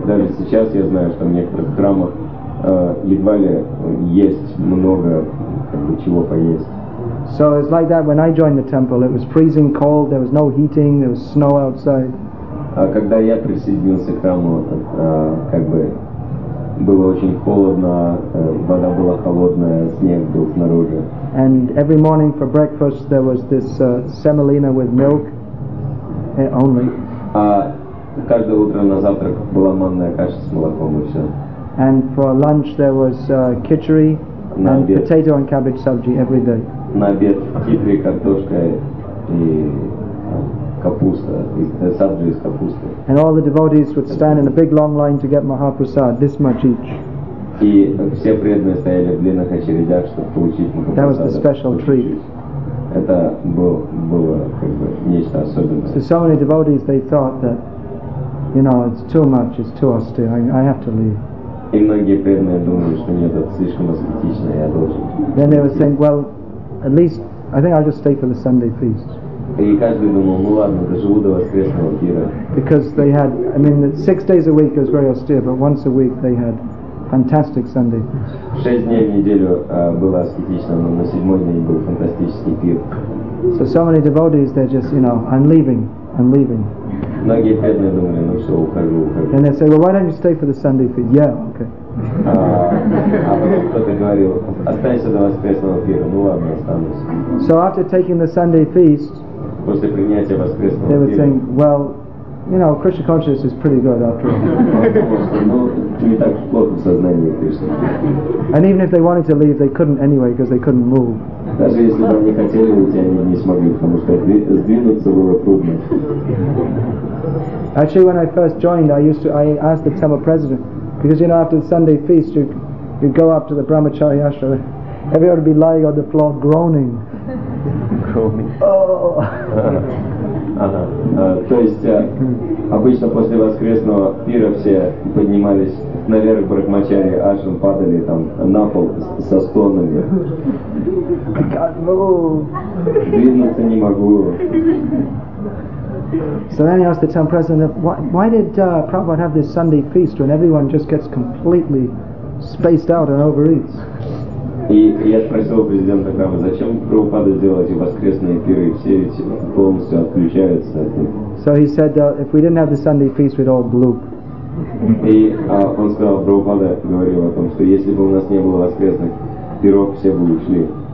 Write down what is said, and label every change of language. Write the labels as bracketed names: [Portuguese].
[Russian] Даже сейчас я знаю, что в некоторых храмах едва ли есть много как бы чего поесть. [English] So it's like that when I joined the temple. It was freezing cold, there was no heating, there was snow outside. [Russian] Когда я присоединился к храму, как бы было очень холодно, вода была холодная, снег был снаружи. [English] And every morning for breakfast there was this semolina with milk only. [Russian] Каждое утро на завтрак была манная каша с молоком и все. [English] And for lunch there was khichdi and potato and cabbage sabji every day. [Russian] На обед хитри, картошка и капуста, саджи из капусты. [English] And all the devotees would stand in a big long line to get Mahaprasad, this much each. [Russian] И все преданные стояли в длинных очередях, чтобы получить Mahaprasad. [English] That was the special treat. [Russian] Это было как бы нечто особенное. [English] So many devotees, they thought that, you know, it's too much, it's too austere, I have to leave. [Russian] И многие преданные думали, что нет, это слишком аскетично, я должен. [English] Then they were saying, well, at least, I think I'll just stay for the Sunday feast. [Russian] И каждый думал, ну ладно, доживу до воскресного пира. [English] Because they had, I mean, 6 days a week was very austere, but once a week they had fantastic Sunday feast. [Russian] 6 дней в неделю было аскетично, но на 7-й день был фантастический пир. [English] So many devotees, they're just, you know, I'm leaving. [Russian] Многие преданные думали, ну все, ухожу. [English] And they say, well, why don't you stay for the Sunday feast? Yeah, okay. [Russian] А потом кто-то говорил, останься до воскресного пира. Ну ладно, останусь. [English] So after taking the Sunday feast, [Russian] после принятия воскресного пира, [English] they would think, well, you know, Krishna consciousness is pretty good after all. [Russian] Ну, не так плохо в сознании Кришны. [English] And even if they wanted to leave, they couldn't anyway, because they couldn't move. [Russian] Даже если бы они хотели уйти, они не смогли, потому что сдвинуться было трудно. [English] Actually, when I first joined, I asked the temple president, because you know, after the Sunday feast, you go up to the Brahmachari Ashram, everyone would be lying on the floor groaning. Groaning. Oh. [Russian] То есть обычно после воскресного пира все поднимались наверх в Брахмачари Ашрам, падали там на пол со стонами. [English] I can't move. [Russian] Двинуться не могу. [English] So then he asked the town president, why did Prabhupada have this Sunday feast when everyone just gets completely spaced out and overeats? [Russian] И я спросил президента Крама, зачем Прабхупада делать воскресные пиры, все эти полностью отключаются. [English] So he said, if we didn't have the Sunday feast, we'd all bloop. [Russian] И он сказал, Прабхупада говорил о том, что если бы у нас не было воскресных пиров, все бы ушли.